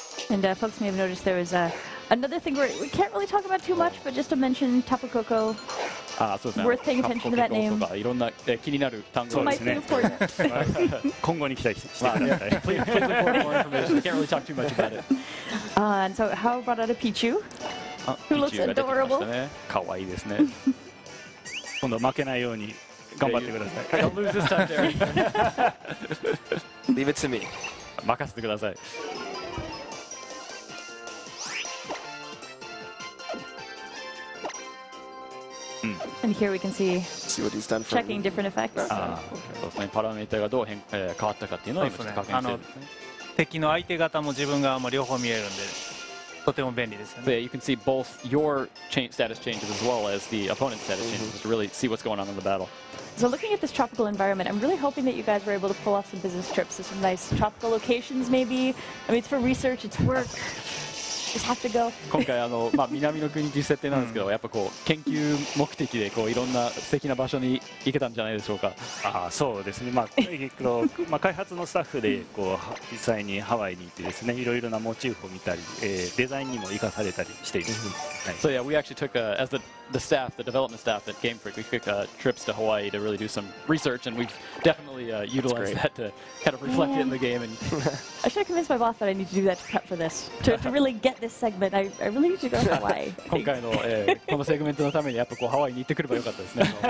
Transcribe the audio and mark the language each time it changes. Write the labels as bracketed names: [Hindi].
[English] And folks may have noticed there was another thing we can't really talk about too much, but just to mention Tapu Koko. Ah, so it's worth paying attention to that name. [Japanese] いろんな気になる単語ですね。今後に期待してください。 [English] Please report more information. Can't really talk too much about it. And so, how about a Pichu? Who looks adorable? [Japanese] かわいいですね。今度負けないように頑張ってください。 [English] Don't lose this time, Derek. Leave it to me. [Japanese] 任せてください。 [English] And here we can see, what he's done checking different effects. [Japanese] そうですね、パラメータが変わったかっていうのを今ちょっと確認してるんですね。敵の相手方も自分側も両方見えるんで、とても便利ですよね。 [English] Yeah, you can see both your status changes as well as the opponent's status changes to really see what's going on in the battle. So looking at this tropical environment, I'm really hoping that you guys were able to pull off some business trips. There's some nice tropical locations maybe. I mean, it's for research, it's work. just have to go. [Japanese] 今回まあ、南の国という設定なんですけど、やっぱこう研究目的でこういろんな素敵な場所に行けたんじゃないでしょうか。あ、そうですね、まあ、まあ開発のスタッフでこう実際にハワイに行ってですね、いろいろなモチーフを見たり、デザインにも生かされたりしています。はい、 [English] so yeah, we actually took a, as the staff, the development staff at Game Freak, we took a trips to Hawaii to really do some research, and we've definitely utilized that to kind of reflect it in the game. And I should convince my boss that I need to do that to prep for this, to really get this segment. I really need to go to Hawaii. [Japanese] 今回の、このセグメントのためにやっぱこうハワイに行ってくればよかったですね。